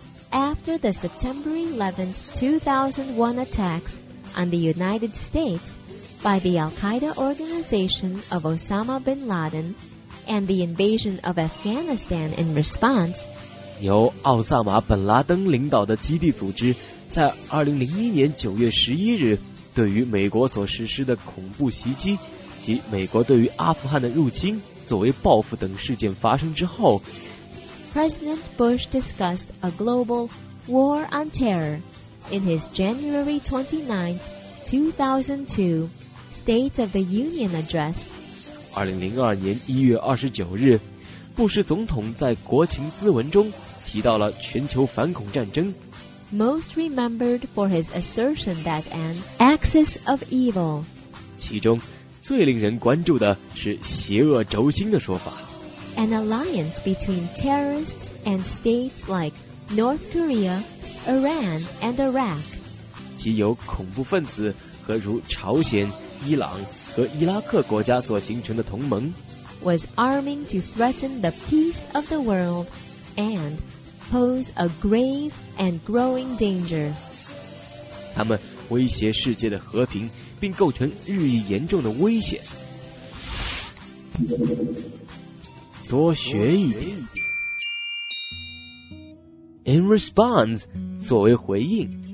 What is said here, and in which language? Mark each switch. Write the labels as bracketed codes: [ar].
[en] After the September 11th 2001 attacks on the United States by the Al-Qaeda organization of Osama bin Laden and the invasion of Afghanistan in response, [zh] 由奥萨马·本拉登领导的基地组织在2001年9月11日对于美国所实施的恐怖袭击及美国对于阿富汗的入侵作为报复等事件发生之后， [en] President Bush discussed a global war on terror in his January 29, 2002 State of the Union address. [zh] 2002年1月29日，布什总统在国情咨文中提到了全球反恐战争。 [en] Most remembered for his assertion that an axis of evil. [zh] 其中最令人关注的是邪恶轴心的说法。 [en] An alliance between terrorists and states like North Korea, Iran, and Iraq. [zh] 即由恐怖分子和如朝鲜、伊朗和伊拉克国家所形成的同盟。 [en] Was arming to threaten the peace of the world and pose a grave and growing danger. [zh] 他们威胁世界的和平，并构成日益严重的危险。多学一点。 [en] In response, [zh] 作为回应。